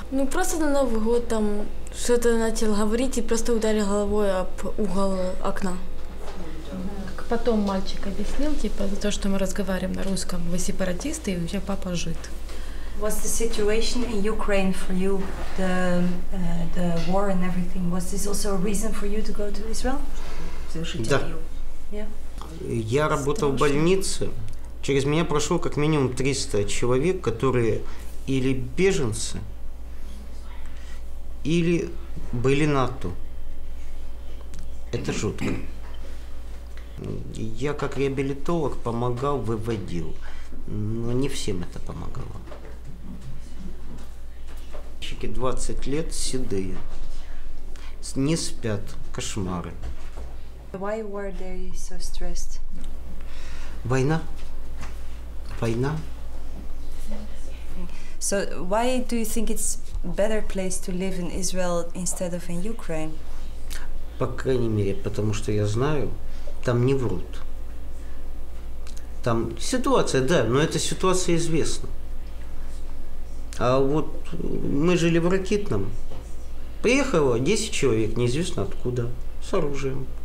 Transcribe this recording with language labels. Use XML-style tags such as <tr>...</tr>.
<ru>Ну просто на Новый год там что-то начал говорить и просто ударил головой об угол окна. Потом мальчик объяснил, типа, за то, что мы разговариваем на русском, вы сепаратисты, и у тебя папа жид.</ru> <en>Was the situation in Ukraine for you, the war and everything, was this also a reason for you to go to Israel?</en> <ru>Да.</ru> <en>Yeah.</en> <ru>Я работал в больнице. Через меня прошло как минимум 300 человек, которые или беженцы, или были НАТО. Это жутко. Я как реабилитолог помогал, выводил, но не всем это помогало. Мальчики 20 лет, седые, не спят, кошмары.</ru> <en>Why were they so stressed?</en> <ru>Война.</ru> <en>So why do you think it's better place to live in Israel instead of in Ukraine?</en> <ru>По крайней мере, потому что я знаю. Там не врут. Там ситуация, да, но эта ситуация известна. А вот мы жили в Ракитном. Приехало 10 человек, неизвестно откуда, с оружием.</ru>